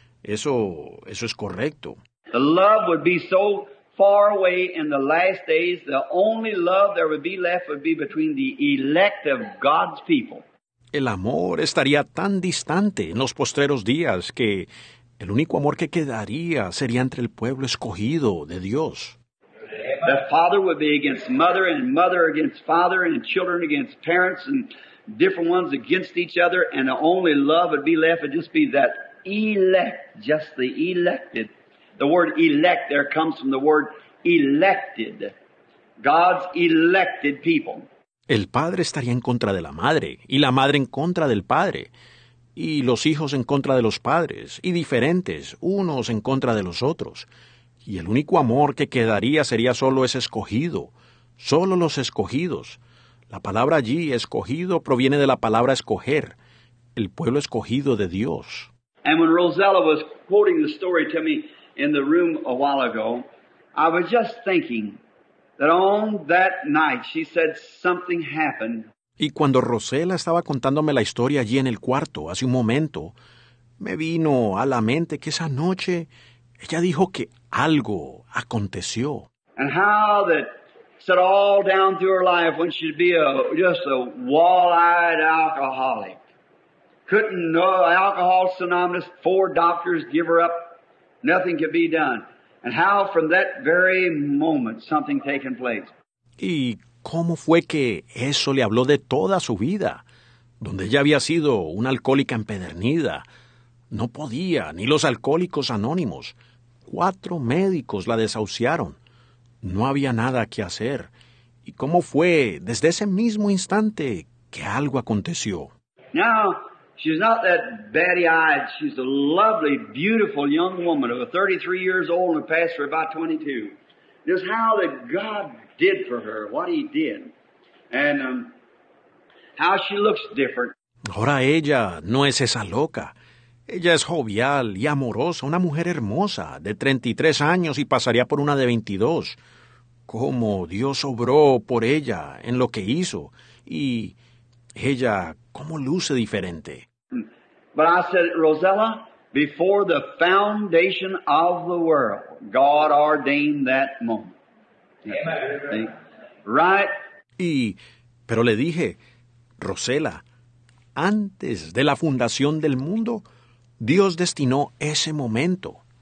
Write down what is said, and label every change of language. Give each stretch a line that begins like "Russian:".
Spanish: Eso es correcto.
English: The love would be so far away in the last days, the only love there would be left would be between the elect of God's people.
Spanish: El amor estaría tan distante en los postreros días que el único amor que quedaría sería entre el pueblo escogido de Dios.
English: The father would be against mother, and mother against father, and children against parents, and different ones against each other, and the only love would be left would just be that elect, just the elected. The word elect there comes from the word elected, God's elected people.
Spanish: El padre estaría en contra de la madre, y la madre en contra del padre, y los hijos en contra de los padres, y diferentes, unos en contra de los otros. Y el único amor que quedaría sería solo ese escogido, solo los escogidos. La palabra allí, escogido, proviene de la palabra escoger, el pueblo escogido de Dios.
English: And when Rosella was quoting the story to me in the room a while ago, I was just thinking that on that night she said something happened.
Spanish: Y cuando Rosella estaba contándome la historia allí en el cuarto hace un momento, me vino a la mente que esa noche ella dijo que algo aconteció.
English: And how that set all down through her life when she'd be just a wall-eyed alcoholic. Couldn't know, alcohol synonymous, 4 doctors give her up, nothing could be done. And how from that very moment something taken place.
Spanish: ¿Y cómo fue que eso le habló de toda su vida? Donde ella había sido una alcohólica empedernida. No podía, ni los alcohólicos anónimos. 4 médicos la desahuciaron. No había nada que hacer. ¿Y cómo fue desde ese mismo instante que algo aconteció?
English: Now, she's not that batty-eyed. She's a lovely, beautiful young woman of 33 years old and a pastor of about 22. Just how that God did for her, what he did. And how she looks different.
Spanish: Ahora ella no es esa loca. Ella es jovial y amorosa, una mujer hermosa, de 33 años y pasaría por una de 22. Cómo Dios obró por ella en lo que hizo. Y ella, cómo luce diferente.
English: But I said, Rosella, before the foundation of the world, God ordained that moment. Yeah. Right?
Spanish: Y, pero le dije, Rosella, antes de la fundación del mundo, Dios destinó ese momento.